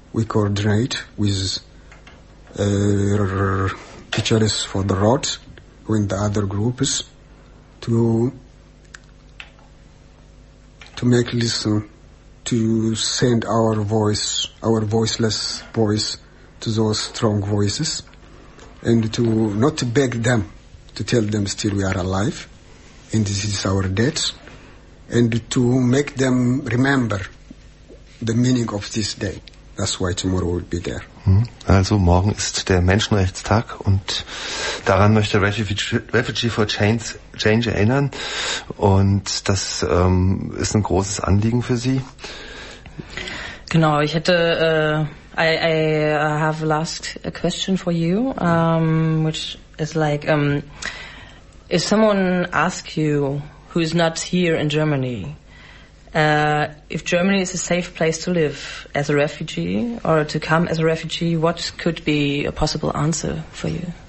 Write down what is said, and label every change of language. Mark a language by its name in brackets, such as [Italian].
[English] We coordinate with teachers for the road with the other groups to make listen, to send our voice, our voiceless voice, to those strong voices, and to not beg them, to tell them still we are alive and this is our death, and to make them remember the meaning of this day. That's why tomorrow will be there. [German] Also morgen ist der Menschenrechtstag und daran möchte Refugee for Change erinnern. Und das ist ein großes Anliegen für Sie. Genau, ich hätte... [English] I have a last question for you, which is like, if someone asks you who is not here in Germany... if Germany is a safe place to live as a refugee or to come as a refugee, what could be a possible answer for you?